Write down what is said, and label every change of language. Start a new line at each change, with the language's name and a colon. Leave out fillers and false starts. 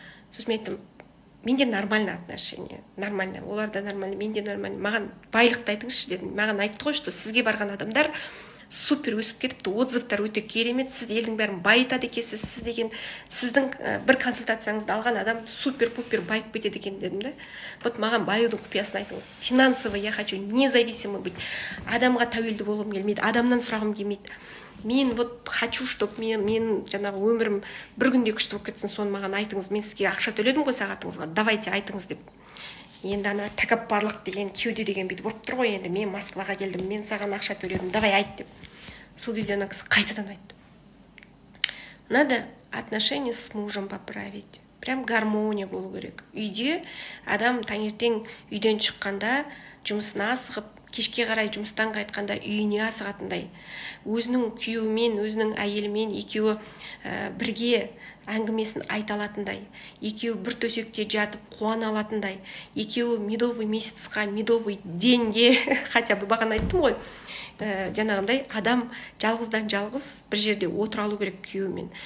Kazakh: Сосын мен айттым, менде
Russian: нормально отношение, нормально,
Kazakh: олар да нормально, менде нормально, маған байлықты айтыңызшы дедім. Маған айтты ғой, что сізге барған адамдар супер өсіп кетіпті, отзывтар өте керемет, сіз елдің бәрін байытады екесіз, сіз деген, сіздің бір консультацияңызды алған адам супер-пупер байып бітеді екен дедім да. Вот маған байудың құпиясын айтыңыз.
Russian: Финансово я хочу независимо быть.
Kazakh: Адамға тәуелді болғым келмейді, адамнан сұрағым келмейді. Мен
Russian: вот хочу, чтобы
Kazakh: мен жаңағы өмірім бір күнде күшті болып кетсін, соны маған айтыңыз. Мен сізге ақша төледім ғой сағатыңызға. Давайте айтыңыз деп. Енді ана тәкаппарлық деген кеуде деген бейді болып тұр ғой, енді мен Москваға келдім, мен саған ақша төледім, давай айт деп. Сол кезде ана кісі қайтадан айтты.
Russian: Надо отношения с мужем поправить.
Kazakh: Прям гармония болу керек. Үйде адам таңертең үйден шыққанда жұмысына асығып, кешке қарай жұмыстан қайтқанда үйіне асығатындай, өзінің күйеуімен, өзінің әйелімен екеуі бірге әңгімесін айта алатындай, екеуі бір төсекте жатып қуана алатындай, екеуі медовый месяцқа, медовый денге,
Russian: хотя бы
Kazakh: бағана айттым ғой, жаңағындай адам жалғыздан жалғыз бір жерде отыра алу керек күйеуімен.